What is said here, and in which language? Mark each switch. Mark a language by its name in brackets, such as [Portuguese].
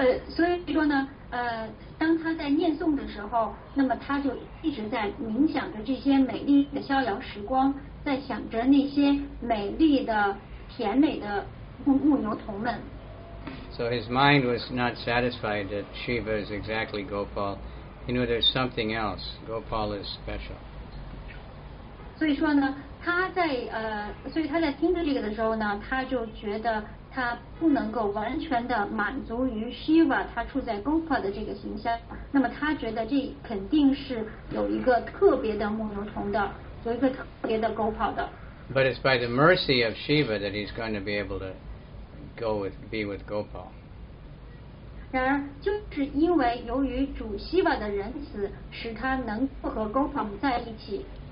[Chinese] 所以说呢，当他在念诵的时候，那么他就一直在冥想着这些美丽的逍遥时光，在想着那些美丽的、甜美的牧牛童们。 [English] So his mind was not satisfied that Shiva is exactly Gopal. He knew there's something else. Gopal is special. [Chinese] 所以说呢，他在所以他在听着这个的时候呢，他就觉得他不能够完全的满足于 Shiva， 他处在 Gopal 的这个形象。那么他觉得这肯定是有一个特别的牧牛童的，有一个特别的 Gopal 的。 [English] But it's by the mercy of Shiva that he's going to be able to. Be with Gopal. [Chinese] 然而，就是因为由于主希瓦的仁慈，使他能和 Gopal 在一起。